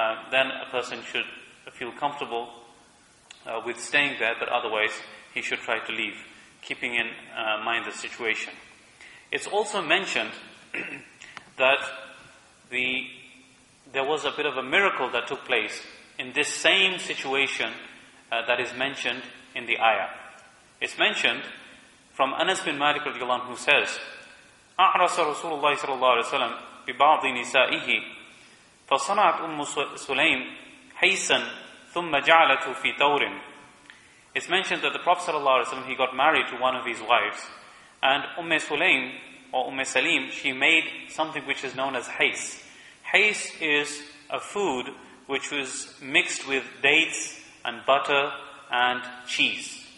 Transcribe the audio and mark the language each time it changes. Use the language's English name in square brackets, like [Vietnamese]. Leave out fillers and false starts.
[English] Then a person should feel comfortable with staying there, but otherwise he should try to leave, keeping in mind the situation. It's also mentioned that there was a bit of a miracle that took place in this same situation that is mentioned in the ayah. It's mentioned from Anas bin Malik radiallahu anhu, who says, [Arabic] أعرس رسول الله صلى الله عليه وسلم ببعض نسائه فصنعت أم سليم حيسا ثم جعلته في تور. [English] It's mentioned that the Prophet صلى الله عليه وسلم, he got married to one of his wives, and Umm Sulaym or Umm Salim, she made something which is known as hais. Hais is a food which was mixed with dates and butter and cheese.